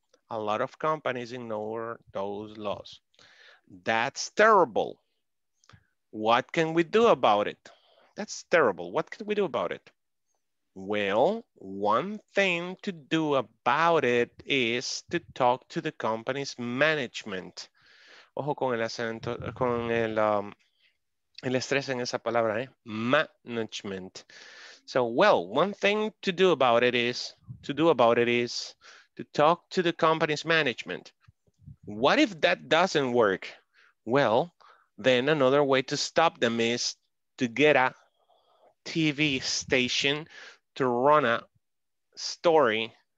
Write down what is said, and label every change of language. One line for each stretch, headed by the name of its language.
English: A lot of companies ignore those laws. That's terrible. What can we do about it? That's terrible. What can we do about it? Well, one thing to do about it is to talk to the company's management.
Spanish: Ojo con el acento, con el, el estrés en esa palabra, eh?
English: Management. So, well, one thing to do about it is to talk to the company's management. What if that doesn't work? Well, then another way to stop them is to get a TV station to run a story.